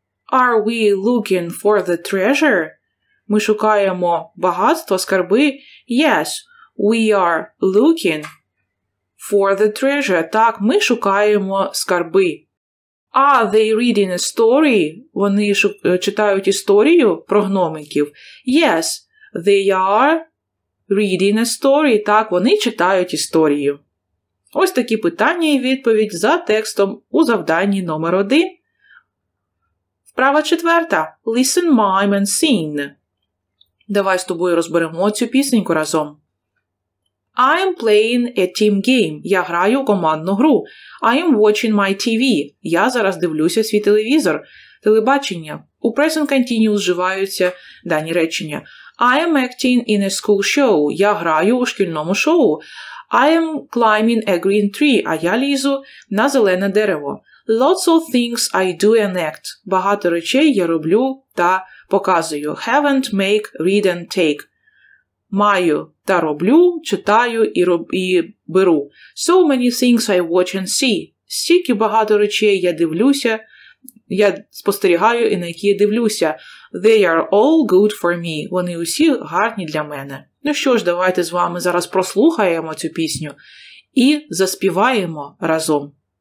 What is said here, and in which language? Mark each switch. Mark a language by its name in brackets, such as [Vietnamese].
[English] Are we looking for the treasure? [Ukrainian] Ми шукаємо багатство, скарби. [English] Yes, we are looking for the treasure. [Ukrainian] Так, ми шукаємо скарби. [English] Are they reading a story? [Ukrainian] Вони читають історію про гномиків. [English] Yes, they are reading a story. [Ukrainian] Так, вони читають історію. Ось такі питання і відповідь за текстом у завданні номер 1. Вправа четверта. [English] Listen, mime and sing. [Ukrainian] Давай з тобою розберемо цю пісеньку разом. [English] I am playing a team game. [Ukrainian] Я граю в командну гру. [English] I am watching my TV. [Ukrainian] Я зараз дивлюся свій телевізор. Телебачення. У present continuous вживаються дані речення. [English] I am acting in a school show. [Ukrainian] Я граю у шкільному шоу. [English] I am climbing a green tree. [Ukrainian] А я лізу на зелене дерево. [English] Lots of things I do and act. [Ukrainian] Багато речей я роблю та показую. [English] Haven't, make, read and take. [Ukrainian] Маю та роблю, читаю і беру. [English] So many things I watch and see. [Ukrainian] Стільки багато речей я дивлюся, я спостерігаю і на які я дивлюся. [English] They are all good for me. [Ukrainian] Вони усі гарні для мене. Ну що ж, давайте з вами зараз прослухаємо цю пісню і заспіваємо разом.